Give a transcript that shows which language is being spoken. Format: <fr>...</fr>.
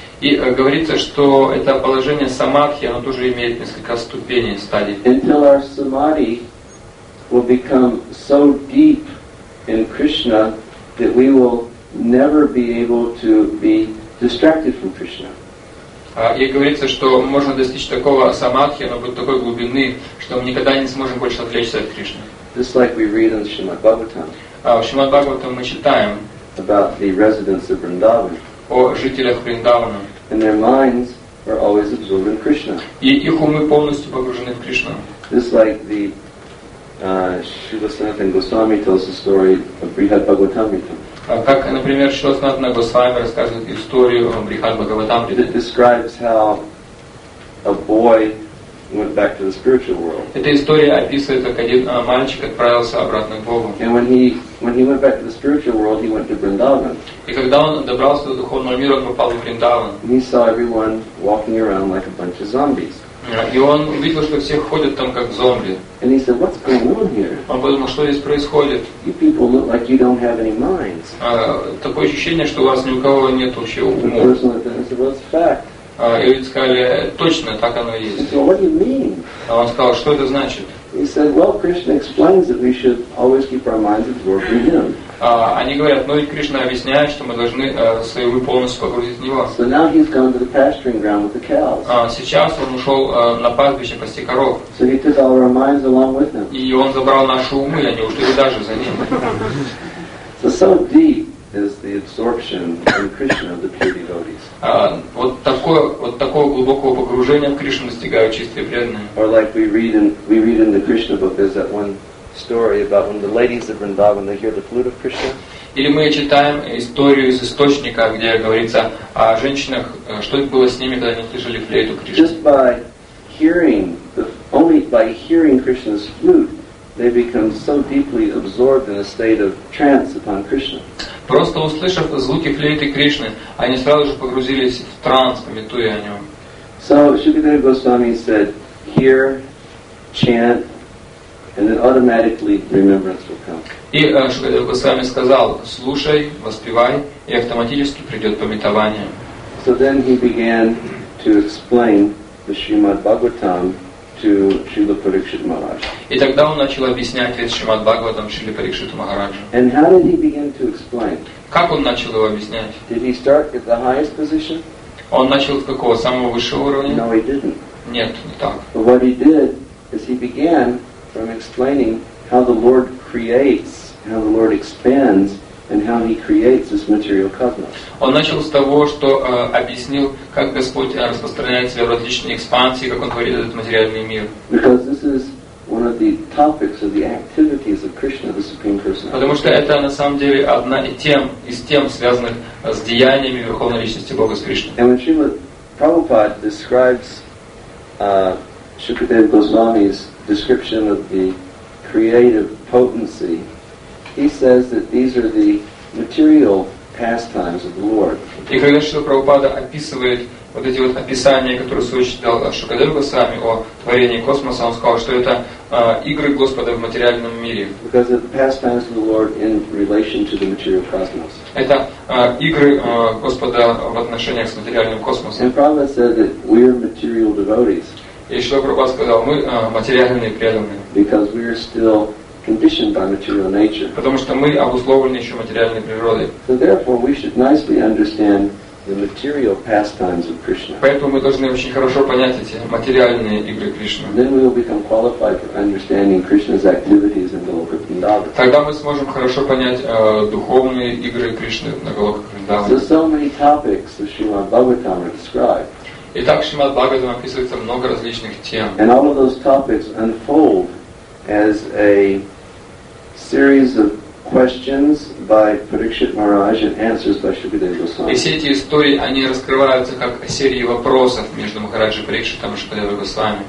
<ru>И говорится, что это положение самадхи, оно тоже имеет несколько ступеней, стадий.</ru> <en>Until our samadhi will become so deep in Krishna that we will never be able to be distracted from Krishna.</en> <ru>И говорится, что можно достичь такого самадхи, оно будет такой глубины, что мы никогда не сможем больше отвлечься от Кришны.</ru> <en>Just like we read in Shrimad Bhagavatam.</en> <ru>В Шримад Бхагаватам мы читаем</ru> <en>about the residents of Vrindavan.</en> <ru>О жителях Вриндавана.</ru> <en>And their minds are always absorbed in Krishna.</en> <ru>И их умы полностью погружены в Кришну.</ru> <en>Just like the Śrīla Sanatana Goswami tells the story of Brihad Bhagavatamrita.</en> <ru>Как, например, Śrīla Sanatana Goswami рассказывает историю о Брихад Бхагаватамрите.</ru> <en>It describes how a boy went back to the spiritual world.</en> <ru>Эта история описывает, как один мальчик отправился обратно к Богу.</ru> <en>And when he went back to the spiritual world, he went to Vrindavan.</en> <ru>И когда он добрался до духовного мира, он попал в Вриндаван.</ru> <en>He saw everyone walking around like a bunch of zombies.</en> <ru>И он увидел, что все ходят там как зомби.</ru> <en>And he said, "What's going on here?"</en> <ru>Он подумал, что здесь происходит.</ru> <en>You people look like you don't have any minds.</en> <ru>Такое ощущение, что у вас ни у кого нет вообще ума.</ru> <en>The person looked at him and said, "What's the fact?"</en> <ru>И люди сказали, точно так оно и есть.</ru> <en>Said, what do you mean?</en> <ru>А он сказал, что это значит?</ru> <en>He said, well, Krishna explains that we should always keep our minds absorbed in Him.</en> <ru>Они говорят, ну и Кришна объясняет, что мы должны свои умы полностью погрузить в Него.</ru> <en>So now he's gone to the pasturing ground with the cows.</en> <ru>Сейчас он ушел на пастбище пасти коров.</ru> <en>So he took all our minds along with him.</en> <ru>И он забрал наши умы, и они ушли даже за ним.</ru> <en>So deep is the absorption in Krishna of the pure devotees.</en> <ru>Вот такого глубокого погружения в Кришну достигают чистые преданные.</ru> <en>Or like we read in the Krishna book, there's that one story about when the ladies of Vrindavan, they hear the flute of Krishna.</en> <ru>Или мы читаем историю из источника, где говорится о женщинах, что было с ними, когда они слышали флейту Кришны.</ru> <en>Just by hearing, only by hearing Krishna's flute, they become so deeply absorbed in a state of trance upon Krishna.</en> <ru>Просто услышав звуки флейты Кришны, они сразу же погрузились в транс, медитуя о нем.</ru> <en>So Śrīla Goswami said, hear, chant, and then automatically remembrance will come.</en> <ru>И Śrīla Goswami сказал, слушай, воспевай, и автоматически придет памятование.</ru> <en>So then he began to explain the Śrīmad Bhagavatam to Śrīla Parīkṣita Mahārāja.</en> <ru>И тогда он начал объяснять весь Шримад Бхагаватам Шриле Парикшиту Махараджу.</ru> <en>And how did he begin to explain?</en> <ru>Как он начал его объяснять?</ru> <en>Did he start at the highest position?</en> <ru>Он начал с какого? Самого высшего уровня?</ru> <en>No, he didn't.</en> <ru>Нет, не так.</ru> <en>But what he did is he began from explaining how the Lord creates, how the Lord expands, and how he creates this material cosmos.</en> <ru>Он начал с того, что объяснил, как Господь распространяет себя в различные экспансии, как он творит этот материальный мир.</ru> <en>Because this is one of the topics of the activities of Krishna, the Supreme Personality.</en> <ru>Потому что это на самом деле одна из тем, связанных с деяниями Верховной Личности Бога с Кришной.</ru> <en>And when Śrīla Prabhupāda describes Śukadeva Goswami's description of the creative potency, he says that these are the material pastimes of the Lord.</en> <ru>И когда Шрила Прабхупада описывает вот эти вот описания, которые сочетал Шукадева Госвами о творении космоса, он сказал, что это игры Господа в материальном мире.</ru> <en>Because of the pastimes of the Lord in relation to the material cosmos.</en> <ru>Это игры Господа в отношениях с материальным космосом.</ru> <en>And Prabhupada said that we are material devotees.</en> <ru>И Шрила Прабхупада сказал, мы материальные преданные.</ru> <en>Because we are still conditioned by material nature.</en> <ru>Потому что мы обусловлены еще материальной природой.</ru> <en>So therefore, we should nicely understand the material pastimes of Krishna.</en> <ru>Поэтому мы должны очень хорошо понять эти материальные игры Кришны.</ru> <en>Then we will become qualified for understanding Krishna's activities in Goloka Vrindavan.</en> <ru>Тогда мы сможем хорошо понять духовные игры Кришны на Голока Вриндаване.</ru> <en>So many topics of Śrīmad Bhagavatam are described.</en> <ru>Итак, в Шримад Бхагаватам описывается много различных тем.</ru> <en>And all of those topics unfold as a series of questions by Parikshit Maharaj and answers by Shukadeva Goswami.</en> <ru>И все эти истории, они раскрываются как серии вопросов между Махараджей Парикшитом и Шукадевой Госвами.</ru>